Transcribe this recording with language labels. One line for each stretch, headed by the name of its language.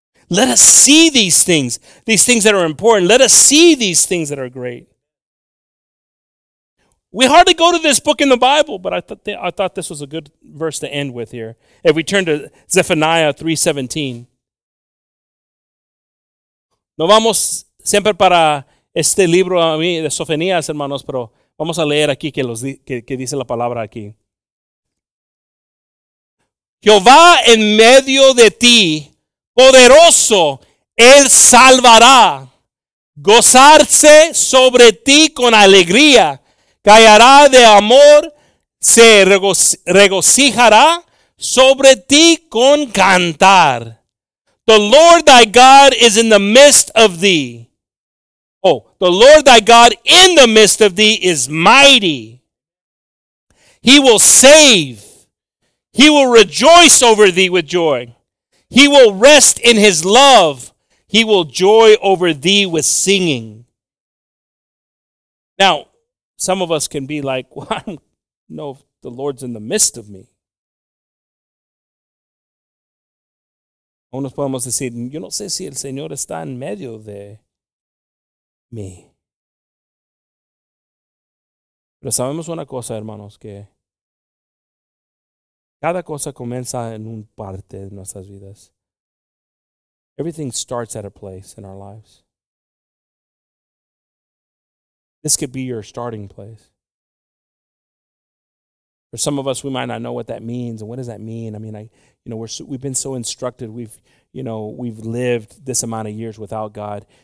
English: Let us see these things that are important. Let us see these things that are great. We hardly go to this book in the Bible, but I thought this was a good verse to end with here. If we turn to Zephaniah 3:17.
Spanish: No vamos siempre para este libro a mí de Sofonías, hermanos, pero vamos a leer aquí que dice la palabra aquí. Jehová en medio de ti, poderoso, él salvará. Gozarse sobre ti con alegría. Callará de amor, se regocijará sobre ti con cantar.
English: The Lord thy God is in the midst of thee. Oh, the Lord thy God in the midst of thee is mighty. He will save. He will rejoice over thee with joy. He will rest in his love. He will joy over thee with singing. Now, some of us can be like, well, I don't know if the Lord's in the midst of me.
Spanish: Unos podemos decir, yo no sé si el Señor está en medio de mí. Pero sabemos una cosa, hermanos, que cada cosa comienza en un parte de nuestras vidas.
English: Everything starts at a place in our lives. This could be your starting place. For some of us, we might not know what that means. And what does that mean? I mean, we've been so instructed. We've lived this amount of years without God.